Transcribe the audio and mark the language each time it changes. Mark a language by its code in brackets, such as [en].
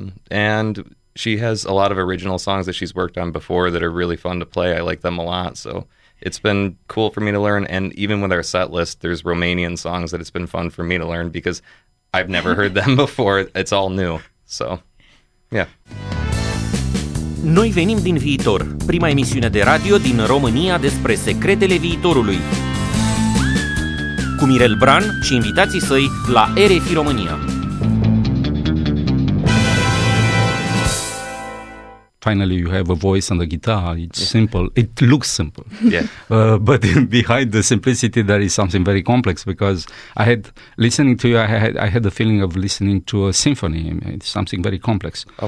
[en] And she has a lot of original songs that she's worked on before that are really fun to play. I like them a lot, so it's been cool for me to learn. And even with our set list, there's Romanian songs that it's been fun for me to learn because I've never heard them before. It's all new. So, yeah. [ro] Noi venim din viitor, prima emisiune de radio din România despre secretele viitorului. Cu Mirel Bran și invitații săi la RFI România. [en] Finally, you have a voice on the guitar. It's simple. It looks simple. Yeah. But behind the simplicity, there is something very complex because I had, listening to you, I had the feeling of listening to a symphony. It's something very complex.